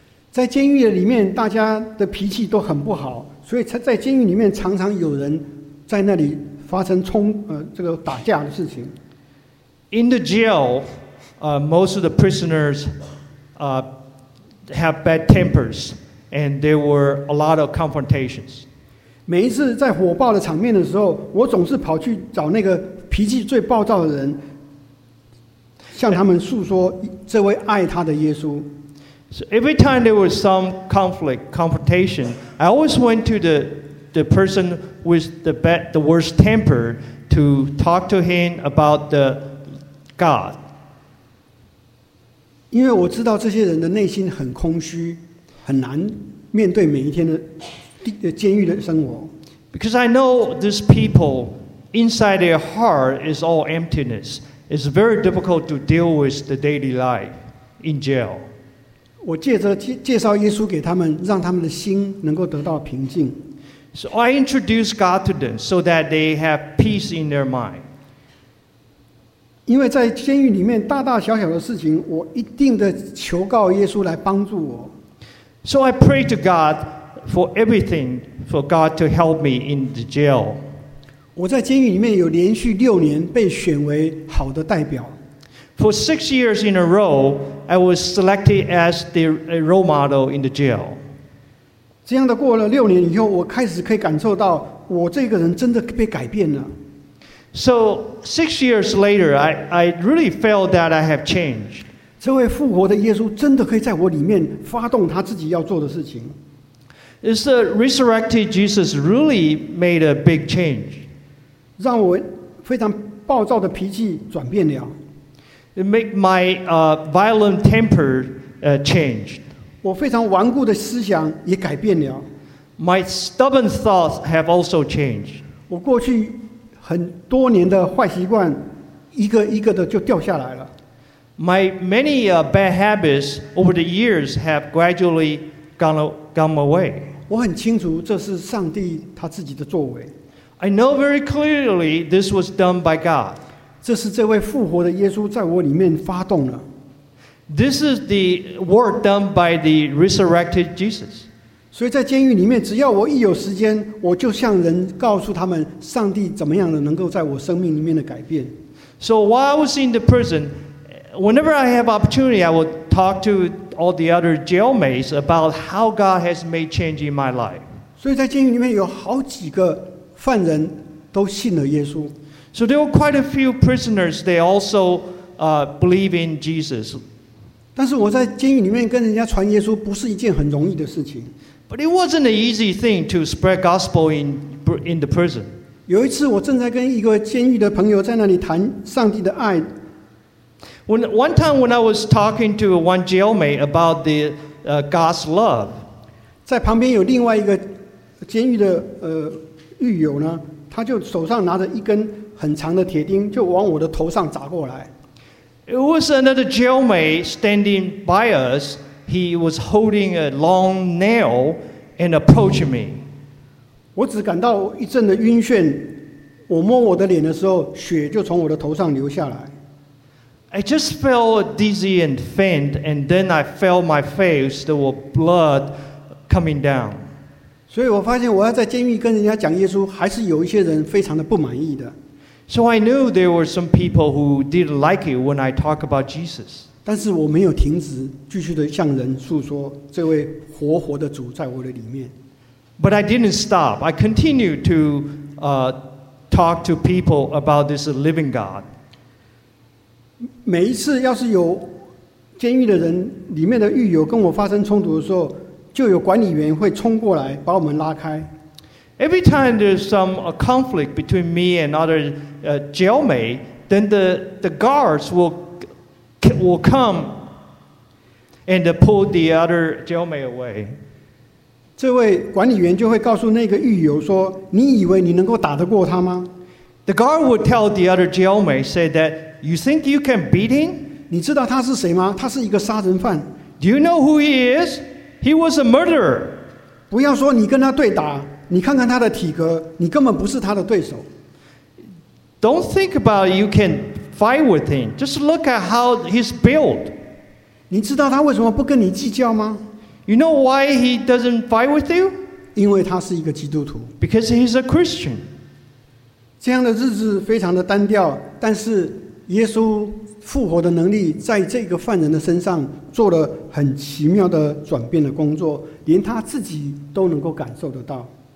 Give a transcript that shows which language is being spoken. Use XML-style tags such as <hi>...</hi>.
<zh>在监狱里面，大家的脾气都很不好，所以在监狱里面常常有人在那里发生这个打架的事情。</zh> <en>In the jail, most of the prisoners have bad tempers, and there were a lot of confrontations.</en> <zh>每一次在火爆的场面的时候，我总是跑去找那个脾气最暴躁的人，向他们诉说这位爱他的耶稣。</zh> <en>So every time there was some confrontation, I always went to the person with the worst temper to talk to him about the God.</en> <zh>因为我知道这些人的内心很空虚，很难面对每一天的监狱的生活。</zh> <en>Because I know these people inside their heart is all emptiness. It's very difficult to deal with the daily life in jail.</en> <zh>我借着介绍耶稣给他们，让他们的心能够得到平静。</zh> <en>So I introduce God to them so that they have peace in their mind.</en> <zh>因为在监狱里面，大大小小的事情，我一定的求告耶稣来帮助我。</zh> <en>So I pray to God for everything, for God to help me in the jail.</en> <zh>我在监狱里面有连续六年被选为好的代表。</zh> <en>For 6 years in a row, I was selected as the role model in the jail.</en> <zh>这样的过了六年以后，我开始可以感受到我这个人真的被改变了。</zh> <en>So 6 years later, I really felt that I have changed.</en> <zh>这位复活的耶稣真的可以在我里面发动他自己要做的事情。</zh> <en>Is the resurrected Jesus really made a big change?</en> <zh>让我非常暴躁的脾气转变了。</zh> <en>It made my violent temper changed.</en> <zh>我非常顽固的思想也改变了。</zh> <en>My stubborn thoughts have also changed.</en> <zh>我过去很多年的坏习惯，一个一个的就掉下来了。</zh> <en>My many bad habits over the years have gradually gone away.</en> <zh>我很清楚这是上帝他自己的作为。</zh> <en>I know very clearly this was done by God.</en> <zh>这是这位复活的耶稣在我里面发动了。</zh> <en>This is the work done by the resurrected Jesus.</en> <zh>所以在监狱里面，只要我一有时间，我就向人告诉他们上帝怎么样的能够在我生命里面的改变。</zh> <en>So while I was in the prison, whenever I have opportunity, I would talk to all the other jailmates about how God has made change in my life.</en> <zh>所以在监狱里面有好几个犯人都信了耶稣。</zh> <en>So there were quite a few prisoners. They also believe in Jesus.</en> <zh>但是我在监狱里面跟人家传耶稣，不是一件很容易的事情。</zh> <en>But it wasn't an easy thing to spread gospel in in the prison.</en> <zh>有一次我正在跟一个监狱的朋友在那里谈上帝的爱。</zh> <en>One time when I was talking to one jailmate about the God's love,</en> <zh>在旁边有另外一个监狱的狱友呢，他就手上拿着一根很长的铁钉，就往我的头上砸过来。</zh> <en>It was another jailmate standing by us. He was holding a long nail and approached me.</en> <zh>我只感到一阵的晕眩，我摸我的脸的时候，血就从我的头上流下来。</zh> <en>I just felt dizzy and faint, and then I felt my face, there was blood coming down.</en> <zh>所以我发现我要在监狱跟人家讲耶稣，还是有一些人非常的不满意的。</zh> <en>So I knew there were some people who didn't like it when I talked about Jesus.</en> <zh>但是我没有停止，继续的向人诉说这位活活的主在我的里面。</zh> <en>But I didn't stop. I continued to talk to people about this living God.</en> <zh>每一次要是有监狱的人里面的狱友跟我发生冲突的时候，就有管理员会冲过来把我们拉开。</zh> <en>Every time there's some conflict between me and other jailmate, then the guards will come and pull the other jailmate away.</en> <zh>这位管理员就会告诉那个狱友说：“你以为你能够打得过他吗？”</zh> <en>The guard would tell the other jailmate, say that you think you can beat him?</en> <zh>你知道他是谁吗？他是一个杀人犯。</zh> <en>Do you know who he is? He was a murderer.</en> <zh>不要说你跟他对打。你看看他的体格，你根本不是他的对手。</zh> <en>Don't think about you can fight with him. Just look at how he's built.</en> <zh>你知道他为什么不跟你计较吗？</zh> <en>You know why he doesn't fight with you?</en> <zh>因为他是一个基督徒。</zh> <en>Because he's a Christian.</en> <zh>这样的日子非常的单调，但是耶稣复活的能力在这个犯人的身上做了很奇妙的转变的工作，连他自己都能够感受得到。</zh>